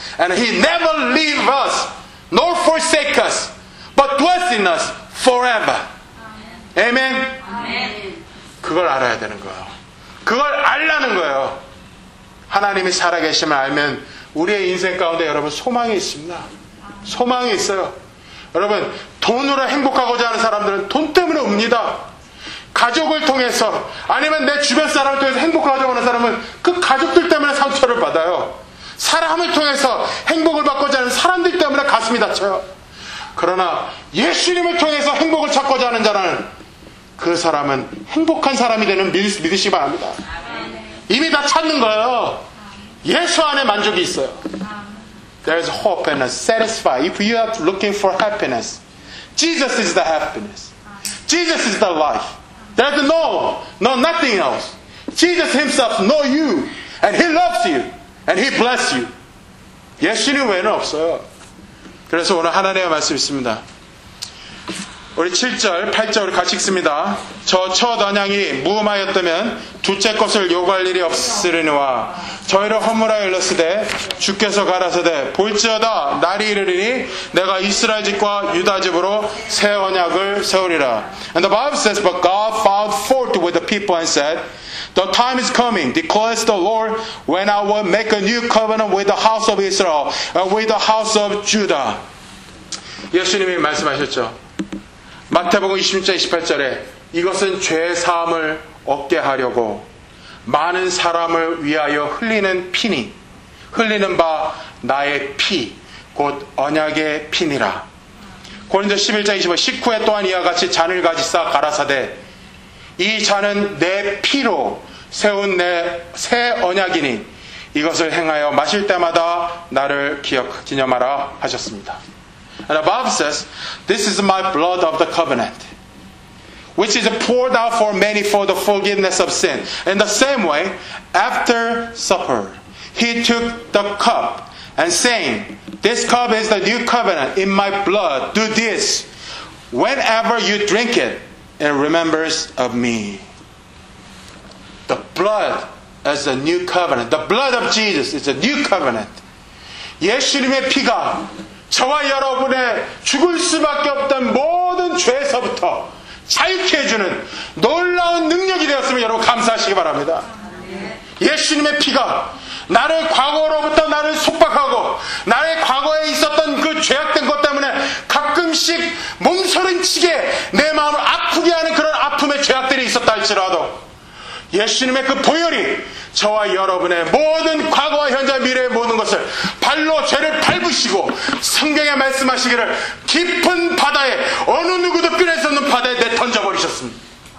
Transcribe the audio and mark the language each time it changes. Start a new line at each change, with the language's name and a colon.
English: And He never leave us, nor forsake us, but dwells in us forever. Amen. Amen.
Korean: 그걸 알아야 되는 거예요. 그걸 알라는 거예요. 하나님이 살아계심을 알면 우리의 인생 가운데 여러분 소망이 있습니다. 소망이 있어요. 여러분, 돈으로 행복하고자 하는 사람들은 돈 때문에 옵니다. 가족을 통해서 아니면 내 주변 사람을 통해서 행복하고자 하는 사람은 그 가족들 때문에 상처를 받아요. 사람을 통해서 행복을 받고자 하는 사람들 때문에 가슴이 다쳐요. 그러나 예수님을 통해서 행복을 찾고자 하는 자는 그 사람은 행복한 사람이 되는 믿으시기 바랍니다. 이미 다 찾는 거예요. 예수 안에 만족이 있어요.
English: There is hope and satisfy. If you are looking for happiness, Jesus is the happiness. Jesus is the life. There's no nothing else. Jesus himself knows you. And he loves you. And he bless you.
Korean: 예수님 외에는 없어요. 그래서 오늘 하나님의 말씀 있습니다. 우리 7절, 8절을 같이 읽습니다. 저 첫 언약이 무음하였다면 둘째 것을 요구할 일이 없으리니와 저희를 허물하여 일렀으되 주께서 가라사대 볼지어다 날이 이르리니 내가 이스라엘 집과 유다 집으로 새 언약을 세우리라.
English: And the Bible says, But God found fault with the people and said, The time is coming, declares the Lord, when I will make a new covenant with the house of Israel and with the house of Judah.
Korean: 예수님이 말씀하셨죠. 마태복음 26장 28절에 이것은 죄사함을 얻게 하려고 많은 사람을 위하여 흘리는 피니 흘리는 바 나의 피 곧 언약의 피니라. 고린도 11장 25절 식후에 또한 이와 같이 잔을 가지사 가라사대 이 잔은 내 피로 세운 내 새 언약이니 이것을 행하여 마실 때마다 나를 기념하라 하셨습니다.
English: And the Bible says, This is my blood of the covenant, which is poured out for many for the forgiveness of sin. In the same way, after supper, he took the cup and saying, This cup is the new covenant in my blood. Do this whenever you drink it in remembrance of me. The blood is a new covenant. The blood of Jesus is a new covenant.
Korean: 예수님의 피가 저와 여러분의 죽을 수밖에 없던 모든 죄에서부터 자유케 해주는 놀라운 능력이 되었으면 여러분 감사하시기 바랍니다. 예수님의 피가 나를 과거로부터 나를 속박하고 나의 과거에 있었던 그 죄악된 것 때문에 가끔씩 몸서림치게 내 마음을 아프게 하는 그런 아픔의 죄악들이 있었다 할지라도 예수님의 그 보혈이 저와 여러분의 모든 과거와 현재 미래의 모든 것을 발로 죄를 밟으시고 성경에 말씀하시기를 깊은 바다에 어느 누구도 끌어낼 수 없는 바다에 내던져버리셨습니다.